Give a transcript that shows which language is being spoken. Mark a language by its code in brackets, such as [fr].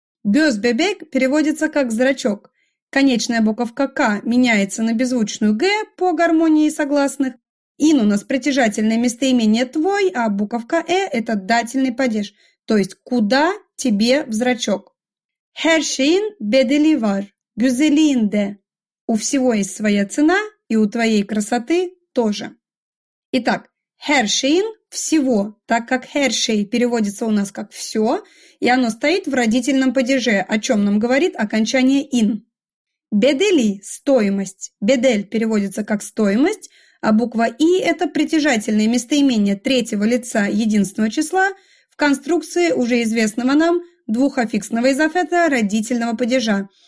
[ru] «Göz bebek» переводится как «зрачок». Конечная буковка «к» меняется на беззвучную «г» по гармонии согласных. «Ин» у нас притяжательное местоимение «твой», а буковка «э» – это дательный падеж, то есть «куда тебе в зрачок». [tr] «Her şeyin bedeli var, güzelliğinde». [ru] «У всего есть своя цена, и у твоей красоты тоже». Итак, «her şeyin» – «всего», так как «her şey» переводится у нас как «все», и оно стоит в родительном падеже, о чем нам говорит окончание «ин». «Bedeli» – «стоимость». «Bedel» переводится как «стоимость», а буква «и» – это притяжательное местоимение третьего лица единственного числа в конструкции уже известного нам двухаффиксного изофета родительного падежа.